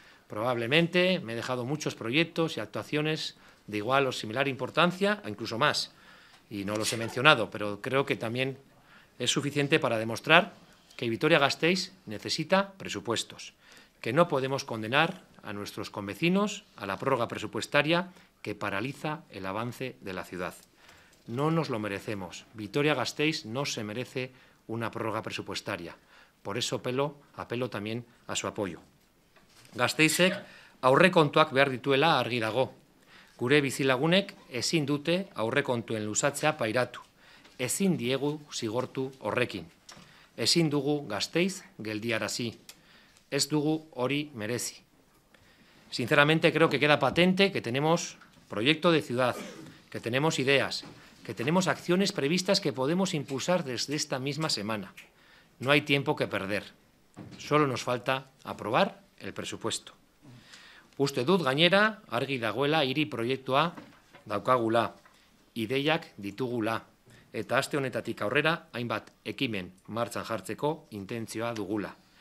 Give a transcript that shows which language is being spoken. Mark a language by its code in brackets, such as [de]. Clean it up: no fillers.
[es] Probablemente me he dejado muchos proyectos y actuaciones de igual o similar importancia, incluso más, y no los he mencionado, pero creo que también es suficiente para demostrar que Vitoria-Gasteiz necesita presupuestos, que no podemos condenar a nuestros convecinos a la prórroga presupuestaria que paraliza el avance de la ciudad. No nos lo merecemos. Vitoria-Gasteiz no se merece una prórroga presupuestaria. Por eso apelo también a su apoyo. [eu] Gasteizek aurrekontuak behar dituela argi dago. Gure bizilagunek ezin dute aurrekontuen luzatzea pairatu. Ezin diegu zigortu horrekin. Ezin dugu Gasteiz geldiarazi. Ez dugu hori merezi. [es] Sinceramente creo que queda patente que tenemos proyecto de ciudad, que tenemos ideas, que tenemos acciones previstas que podemos impulsar desde esta misma semana. No hay tiempo que perder. Solo nos falta aprobar el presupuesto. [eu] Uste dut gainera, argi dagoela hiri proiektua daukagula, ideiak ditugula, eta aste honetatik aurrera hainbat ekimen martxan jartzeko intentzioa dugula.